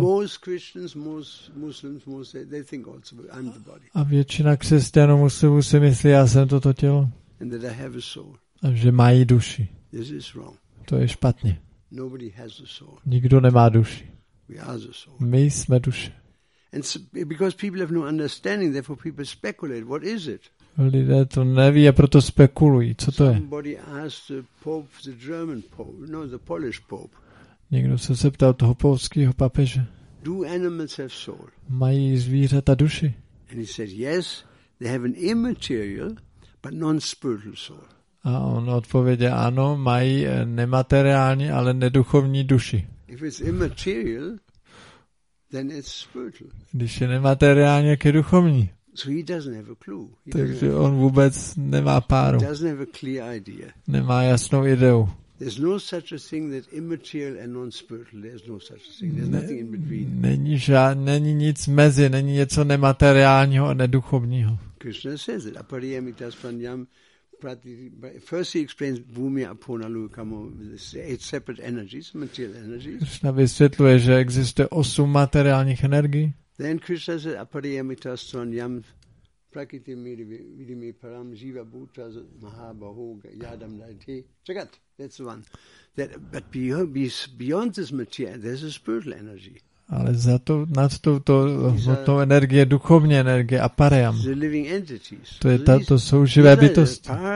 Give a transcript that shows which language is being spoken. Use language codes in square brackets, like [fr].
[en] Most Christians, most Muslims, most they think also I'm the body. [cs] A většina křesťanů muslimů si myslí, já jsem toto tělo. [en] And that I have a soul. [cs] A že mají duši. [en] This is wrong. [cs] To je špatně. [en] Nobody has a soul. [cs] Nikdo nemá duši. [en] We are the soul. [cs] My jsme duše. [en] And because people have no understanding, therefore people speculate, what is it? [cs] Lidé to neví a proto spekulují, co to je? [en] Somebody asked the Pope, the German Pope, no, the Polish Pope. [cs] Někdo se zeptal toho polského papeže. [en] Do animals have soul? [cs] Mají zvířata duši? [en] And he said, yes, they have an immaterial, but non-spiritual soul. [cs] A on odpověděl, ano, mají nemateriální, ale neduchovní duši. [en] If it's immaterial, then it's spiritual. [cs] Když je nemateriální, jak je duchovní. [en] So he doesn't have a clue. [cs] Takže on vůbec nemá páru. [en] He doesn't have a clear idea. [cs] Nemá jasnou ideu. [en] There's no such a thing that immaterial and non-spiritual. There's no such a thing. There's nothing in between. [cs] Není není nic mezi, není něco nemateriálního a neduchovního. [en] Krishna says it. [sa] Aparyam itas panyam. [en] First he explains [sa] bhumi apona lokamo, [en] eight separate energies, material energies. [cs] Krishna vysvětluje, že existuje osm materiálních energií. [en] Then Krishna says [sa] apariyamita stranyam prakriti vidimi param jiva bhuta mahabaho yadam dante jagat. [en] That's the one. That but beyond this material, there's a spiritual energy. [cs] Ale za to, nad touto hmotnou energie, duchovní energie, aparyam. To je tato souživé bytosti.